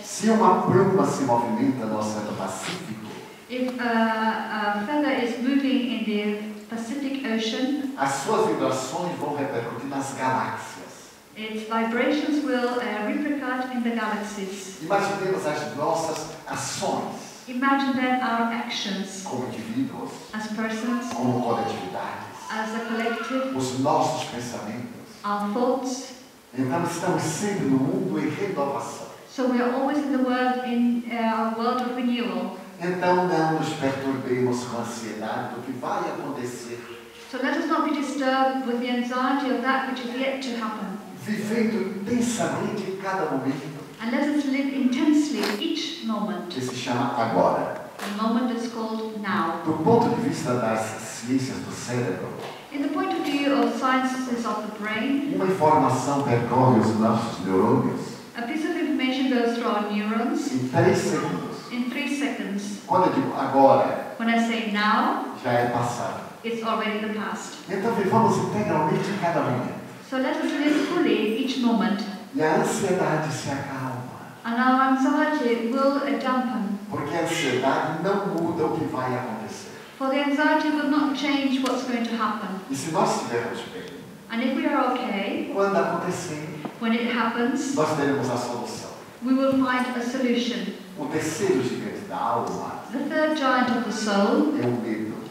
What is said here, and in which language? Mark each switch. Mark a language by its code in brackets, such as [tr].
[pt] Se uma pluma se movimenta no Oceano Pacífico. [en] If a feather is moving in the Pacific Ocean, [pt] as suas vibrações vão repercutir nas galáxias. [en] Its vibrations will repercut in the galaxies. [pt] Imaginemos as nossas ações. [en] Imagine then our actions. [pt] Como indivíduos. [en] As persons. [pt] Como coletividades. [en] As a collective. [pt] Os nossos pensamentos. [en] Our thoughts. [pt] Então estamos sempre no mundo em renovação. [en] So we are always in the world in our world of renewal. [pt] Então não nos perturbemos com a ansiedade do que vai acontecer. [en] So let us not be disturbed with the anxiety of that which is yet to happen. [pt] Vivendo intensamente em cada momento. [en] And let us live intensely each moment. [pt] Que se chama agora. [en] The moment is called now. [pt] Do ponto de vista das ciências do cérebro. [en] In the point of view of sciences of the brain. [pt] Uma informação percorre os nossos neurônios. [en] A piece of information goes through our neurons. [pt] Em 3 segundos. [en] In 3 seconds. [pt] Quando eu digo agora. [en] When I say now. [pt] Já é passado. [en] It's already the past. [pt] Então vivamos integralmente cada momento. [en] So let us live fully each moment. [pt] E a ansiedade se acalma. [en] And our anxiety will dampen. [pt] Porque a ansiedade não muda o que vai acontecer. [en] For the anxiety will not change what's going to happen. [pt] E se nós estivermos bem. [en] And if we are okay. [pt] Quando acontecer. [en] When it happens. [pt] Nós teremos a solução. [en] We will find a solution. [pt] O terceiro gigante da alma. [en] The third giant of the soul. [pt] É o medo.